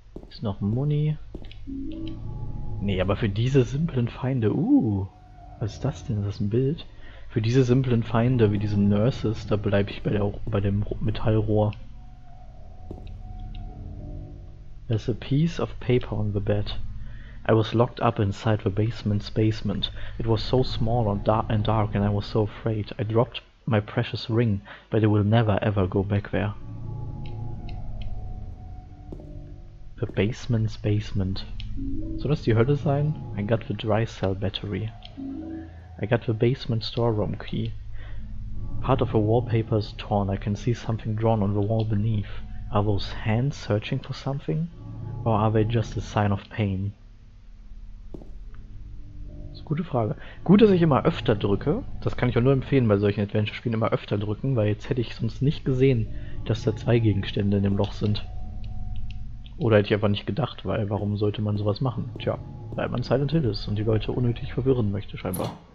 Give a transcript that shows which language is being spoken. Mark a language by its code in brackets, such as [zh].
[de] Ist noch Muni. Nee, aber für diese simplen Feinde, was ist das denn? Ist das ein Bild? Für diese simplen Feinde wie diese Nurses, da bleibe ich bei dem Metallrohr. [en] There's a piece of paper on the bed. I was locked up inside the basement's basement. It was so small and dark and I was so afraid. I dropped my precious ring, but it will never ever go back there. The basement's basement. [de] Soll das die Hölle sein? [en] I got the dry cell battery. I got the basement storeroom key. Part of a wallpaper is torn. I can see something drawn on the wall beneath. Are those hands searching for something? Or are they just a sign of pain? [de] Das ist eine gute Frage. Gut, dass ich immer öfter drücke. Das kann ich auch nur empfehlen bei solchen Adventure-Spielen, immer öfter drücken, weil jetzt hätte ich sonst nicht gesehen, dass da zwei Gegenstände in dem Loch sind. Oder hätte ich einfach nicht gedacht, weil warum sollte man sowas machen? Tja, weil man Silent Hill ist und die Leute unnötig verwirren möchte, scheinbar.